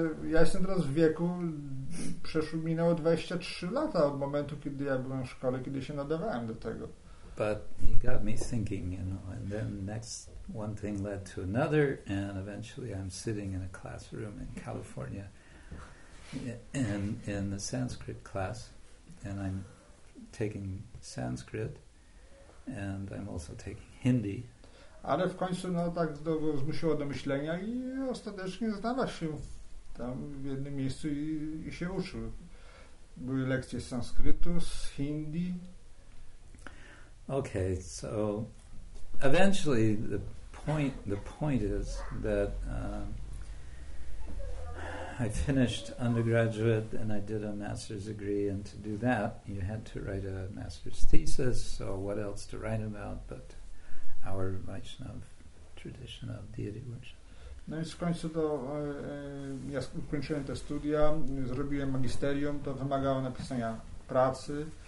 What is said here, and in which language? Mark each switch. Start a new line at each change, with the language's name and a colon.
Polish: Ja jestem teraz w wieku, minęło 23 lata od momentu, kiedy ja byłem w szkole, kiedy się nadawałem do tego.
English: But he got me thinking, you know, and then next one thing led to another, and eventually I'm sitting in a classroom in California in the Sanskrit class, and I'm taking Sanskrit, and I'm also taking Hindi.
Polish: Ale w końcu no tak zmusiło do myślenia i ostatecznie znalazł się tam w jednym miejscu i się uczył. Były lekcje z sanskrytu, z hindi.
English: Okay, so eventually the point is that I finished undergraduate and I did a master's degree, and to do that you had to write a master's thesis, so what else to write about but our Vaishnav tradition of deity worship.
Polish: No i w końcu to ja ukończyłem te studia, zrobiłem magisterium, to wymagało napisania pracy.